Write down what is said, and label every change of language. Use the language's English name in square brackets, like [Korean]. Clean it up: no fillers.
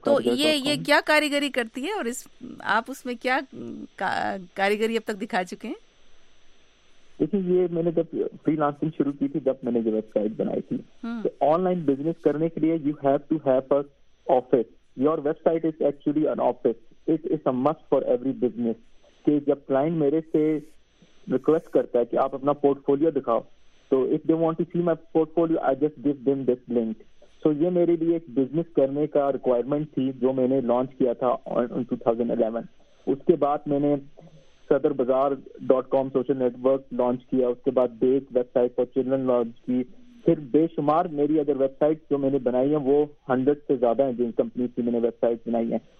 [Hindi] तो ये क्या कारीगरी करती है और इस आप उसमें क्या कारीगरी अब तक दिखा चुके हैं? देखिए, ये मैंने जब फ्रीलांसिंग शुरू की थी, जब मैंने ये वेबसाइट बनाई थी, तो ऑनलाइन बिजनेस करने के लिए [English] You have to have a office. Your website is actually an office. It is a must for every business. [Hindi] कि जब क्लाइंट मेरे से रिक्वेस्ट करता है कि आप अपना पोर्टफोलियो दिखाओ, [English] so if they want to see my portfolio, I just give them this link. [Hindi] So ये मेरे लिए एक business करने का requirement थी जो मैंने launch किया था in 2011. उसके बाद मैंने sadarbazaar.com social network launch किया, उसके बाद bake website for children launch की, फिर बेशुमार मेरी अगर websites जो मैंने बनाई हैं वो 100 से ज़्यादा हैं, जिन companies की मैंने websites बनाई हैं.